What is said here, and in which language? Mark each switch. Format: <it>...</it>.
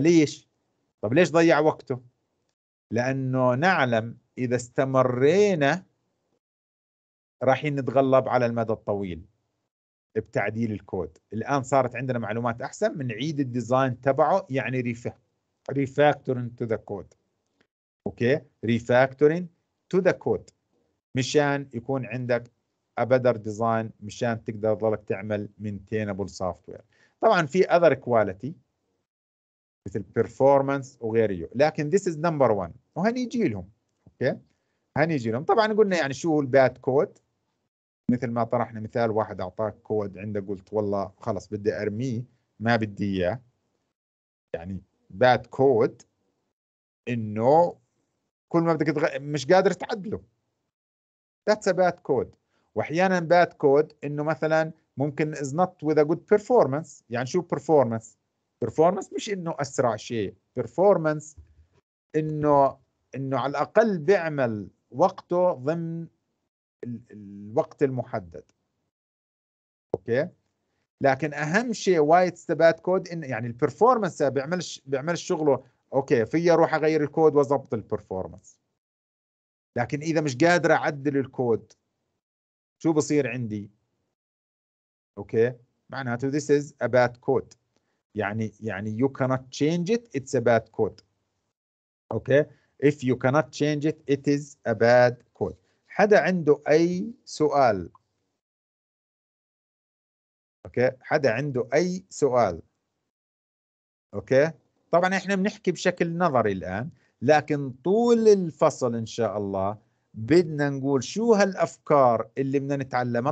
<ar>ليش؟ طب ليش ضيع وقته؟ لأنه نعلم إذا استمرينا راح نتغلب على المدى الطويل بتعديل الكود. الآن صارت عندنا معلومات أحسن من عيد الديزاين تبعه, يعني</ar> <en>refactoring to the code. Okay refactoring to the code</en> <ar>مشان يكون عندك</ar> <en>a better design</en> <ar>مشان تقدر ظلك تعمل</ar> <en>maintainable software.</en> <ar>طبعا في</ar> <en>other quality</en> <ar>مثل</ar> <en>performance</en> <ar>وغيره لكن</ar> <en>this is number one.</en> <ar>وهنيجي لهم اوكي هنيجي لهم. طبعا قلنا يعني شو الباد كود مثل ما طرحنا مثال واحد اعطاك كود عنده قلت والله خلص بدي ارميه ما بدي اياه يعني باد كود انه كل ما بدك مش قادر تعدله</ar> <en>that's a bad code.</en> <ar>واحيانا باد كود انه مثلا ممكن</ar> <en>is not with a good performance.</en> <ar>يعني شو performance؟ performance مش انه اسرع شيء, performance انه على الاقل بيعمل وقته ضمن الوقت المحدد. اوكي لكن اهم شيء وايت ستبات كود ان يعني البرفورمانس بيعمل شغله. اوكي فيا اروح اغير الكود واضبط البرفورمانس لكن اذا مش قادر اعدل الكود شو بصير عندي؟ اوكي معناته</ar> <en>this is a bad code. يعني you cannot change it, it's a bad code. Okay if you cannot change it, it is a bad code.</en> <ar>حدا عنده أي سؤال؟ أوكي حدا عنده أي سؤال؟ أوكي طبعا إحنا بنحكي بشكل نظري الآن لكن طول الفصل إن شاء الله بدنا نقول شو هالأفكار اللي بدنا نتعلمها.</ar>